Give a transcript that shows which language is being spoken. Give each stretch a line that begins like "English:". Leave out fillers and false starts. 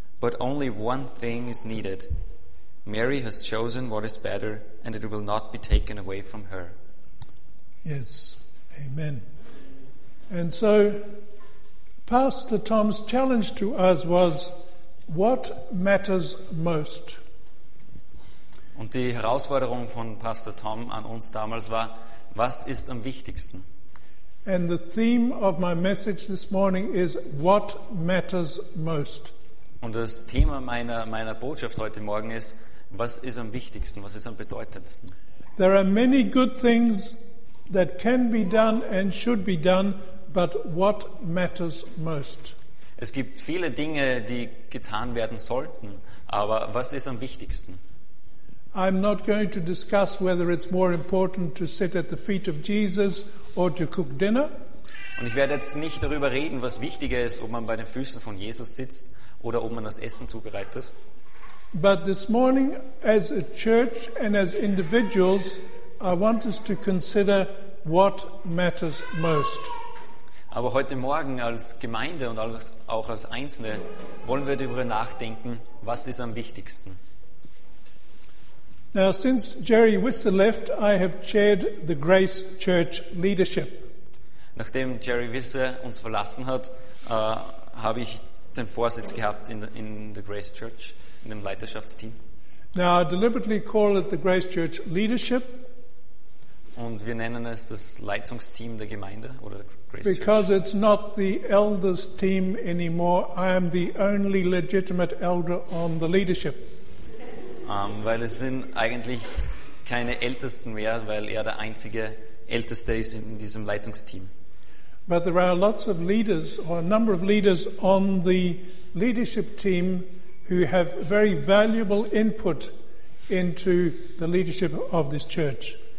English: But only one thing is needed. Mary has chosen what is better, and it will not be taken away from her." Yes, amen. And so, Pastor Tom's challenge to us was, what matters most?
German: Und die Herausforderung von Pastor Tom an uns damals war, was ist am wichtigsten?
English: And the theme of my message this morning is, what matters most?
German: Und das Thema meiner Botschaft heute Morgen ist, was ist am wichtigsten, was ist am bedeutendsten?
English: There are many good things that can be done and should be done, but what matters most?
German: Es gibt viele Dinge, die getan werden sollten, aber was ist am wichtigsten?
English: I'm not going to discuss whether it's more important to sit at the feet of Jesus or to cook dinner.
German: Und ich werde jetzt nicht darüber reden, was wichtiger ist, ob man bei den Füßen von Jesus sitzt oder ob man das Essen zubereitet.
English: But this morning, as a church and as individuals, I want us to consider what matters most.
German: Aber heute Morgen als Gemeinde und auch als Einzelne wollen wir darüber nachdenken, was ist am wichtigsten.
English: Now, since Jerry Whistler left, I have chaired the Grace Church leadership.
German: Nachdem Jerry Whistler uns verlassen hat, habe ich den Vorsitz gehabt in der Grace Church, in dem Leiterschaftsteam.
English: Now, I deliberately call it the Grace Church leadership.
German: Und wir nennen es das Leitungsteam der Gemeinde oder der Grace Church.
English: Because it's not the elders team anymore. I am the only legitimate elder on the leadership.
German: Weil es sind eigentlich keine Ältesten mehr, weil er der einzige Älteste ist in diesem Leitungsteam.
English: But there are lots of leaders or a number of leaders on the leadership team who have very valuable input into the leadership of this church.